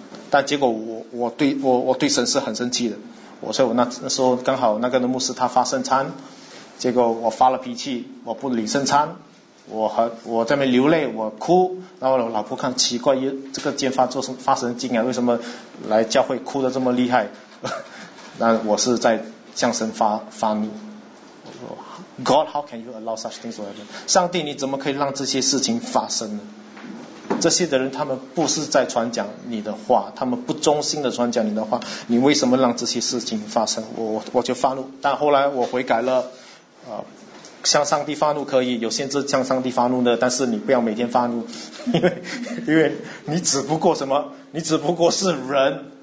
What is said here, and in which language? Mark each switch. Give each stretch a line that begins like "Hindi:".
Chinese: 但结果我对神是很生气的，所以我那时候刚好那个牧师他发圣餐，结果我发了脾气，我不领圣餐，我在那边流泪，我哭，然后我老婆看奇怪，这个剑发做什么发神经啊？为什么来教会哭得这么厉害？那我是在向神发怒。
English: God, how can you allow such things to happen？
Chinese: 上帝，你怎么可以让这些事情发生呢？这些的人他们不是在传讲你的话，他们不忠心的传讲你的话，你为什么让这些事情发生？我就发怒。但后来我悔改了，向上帝发怒可以，有限制向上帝发怒的，但是你不要每天发怒，因为你只不过什么，你只不过是人。